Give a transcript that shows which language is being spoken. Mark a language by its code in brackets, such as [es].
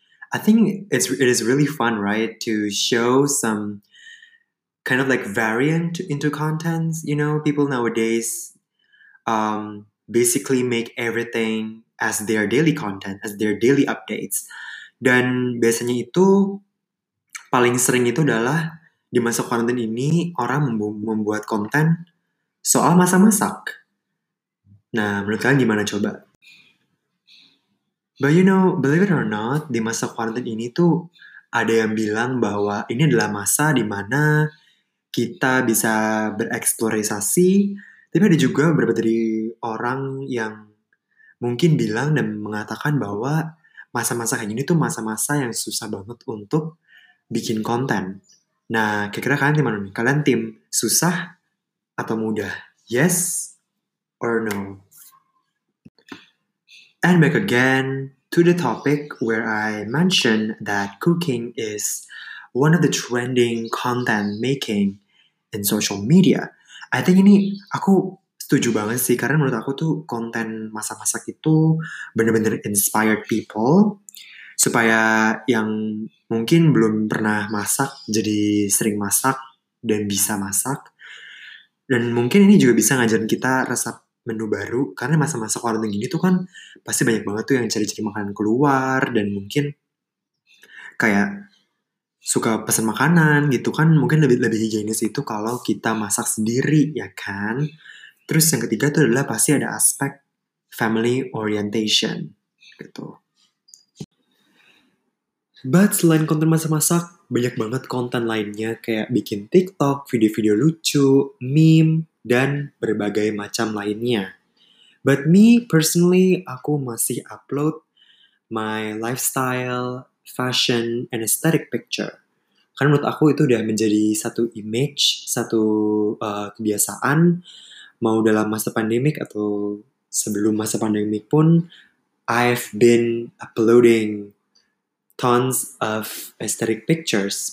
[en] I think it is really fun, right, to show some kind of like variant into contents. You know, people nowadays basically make everything as their daily content, as their daily updates. [id] Dan biasanya itu paling sering itu adalah di masa quarantine ini orang membuat konten soal masak-masak. Nah, menurut kalian gimana coba? [en] But you know, believe it or not, [id] di masa quarantine ini tuh ada yang bilang bahwa ini adalah masa di mana kita bisa bereksplorasi, tapi ada juga beberapa dari orang yang mungkin bilang dan mengatakan bahwa masa-masa kayak gini tuh masa-masa yang susah banget untuk bikin konten. Nah, kira-kira kalian tim mana nih? Kalian tim susah atau mudah? [en] Yes or no? And back again to the topic where I mentioned that cooking is one of the trending content making in social media. [id] I think ini aku setuju banget sih, karena menurut aku tuh konten masak-masak itu benar-benar [en] inspired people [id] supaya yang mungkin belum pernah masak jadi sering masak dan bisa masak. Dan mungkin ini juga bisa ngajarin kita resep menu baru, karena masa-masa quarantine gini tuh kan pasti banyak banget tuh yang cari-cari makanan keluar, dan mungkin kayak suka pesan makanan gitu kan, mungkin lebih higienis itu kalau kita masak sendiri, ya kan. Terus yang ketiga tuh adalah pasti ada aspek family orientation gitu. But selain konten masak-masak, banyak banget konten lainnya kayak bikin TikTok, video-video lucu, meme, dan berbagai macam lainnya. [en] But me personally, [id] aku masih upload [en] my lifestyle, fashion, and aesthetic picture. [id] Karena menurut aku itu udah menjadi satu image, satu kebiasaan. Mau dalam masa pandemik atau sebelum masa pandemik pun, [en] I've been uploading tons of aesthetic pictures.